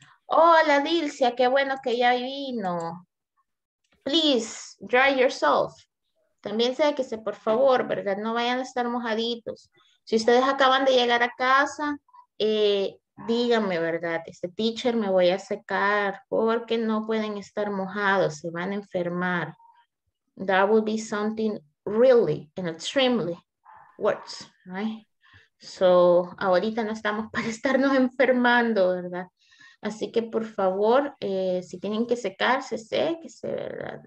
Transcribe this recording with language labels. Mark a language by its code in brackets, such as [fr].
[es] Hola, Dilcia, qué bueno que ya vino. [en] Please, dry yourself. [es] También sé que se, por favor, ¿verdad? No vayan a estar mojaditos. Si ustedes acaban de llegar a casa, díganme, ¿verdad? Este teacher me voy a secar porque no pueden estar mojados, se van a enfermar. [en] That would be something really and extremely worse, right? [es] So, ahorita no estamos para estarnos enfermando, ¿verdad? Así que, por favor, si tienen que secarse, séquese, ¿verdad?